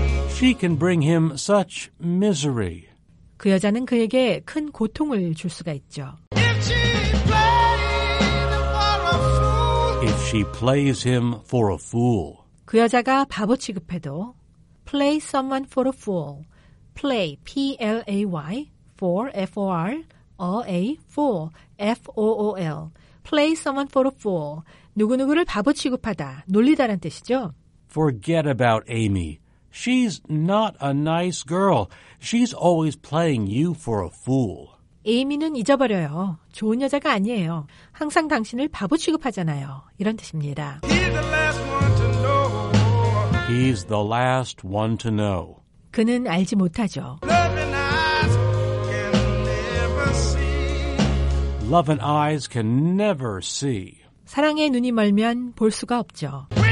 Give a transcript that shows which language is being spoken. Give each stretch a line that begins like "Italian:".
English: She can bring him such misery.
Korean: 그 여자는 그에게 큰 고통을 줄 수가 있죠.
English: If she played for a fool. If she plays him for a fool.
Korean: 그 여자가 바보 취급해도
English: play someone for a fool. play, P-L-A-Y, for, F-O-R, a fool, F-O-O-L. Play someone for a fool.
Korean: 누구누구를 바보 취급하다, 놀리다란 뜻이죠.
English: Forget about Amy. She's not a nice girl. She's always playing you for a fool.
Korean: 에이미는 잊어버려요. 좋은 여자가 아니에요. 항상 당신을 바보 취급하잖아요. 이런 뜻입니다.
English: He's the last one to know. He's the last one to know.
Korean: 그는 알지 못하죠.
English: Love and eyes can never see. Love and eyes can never see.
Korean: 사랑의 눈이 멀면 볼 수가 없죠.